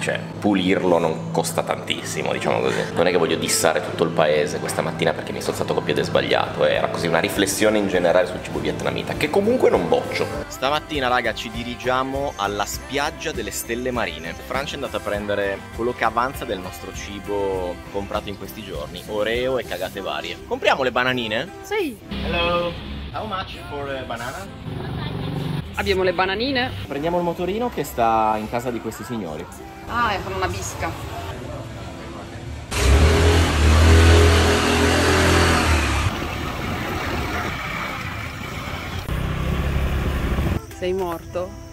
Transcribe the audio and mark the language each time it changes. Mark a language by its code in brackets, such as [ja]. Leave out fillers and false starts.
[it] Cioè, pulirlo non costa tantissimo, diciamo così. Non è che voglio dissare tutto il paese questa mattina perché mi sono stato col piede sbagliato. Era così una riflessione in generale sul cibo vietnamita, che comunque non boccio. Stamattina, raga, ci dirigiamo alla spiaggia delle Stelle Marine. Francia è andata a prendere quello che avanza del nostro cibo comprato in questi giorni, Oreo e cagate varie. Compriamo le bananine? Sì. [en] Hello, how much for a banana? [it] Abbiamo le bananine. Prendiamo il motorino che sta in casa di questi signori. Ah, è per una bisca. Sei morto?